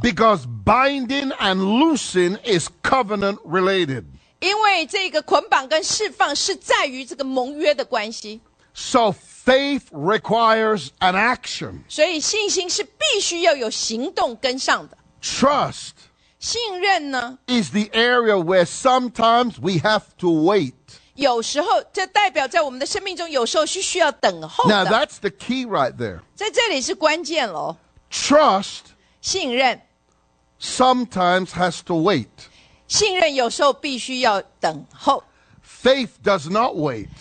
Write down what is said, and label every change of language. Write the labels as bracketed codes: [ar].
[en] Because binding and loosing is covenant related. [zh] 因为这个捆绑跟释放是在于这个盟约的关系。 [en] So faith requires an action. [zh] 所以信心是必须要有行动跟上的。 [en] Trust. [zh] 信任呢 [en] is the area where sometimes we have to wait. [zh] 有时候这代表在我们的生命中有时候是需要等候的。 [en] Now that's the key right there. [zh] 在这里是关键咯。 [en] Trust. [zh] 信任。 [en] Sometimes has to wait. [zh] 信任有时候必须要等候。 [en] Faith does not wait.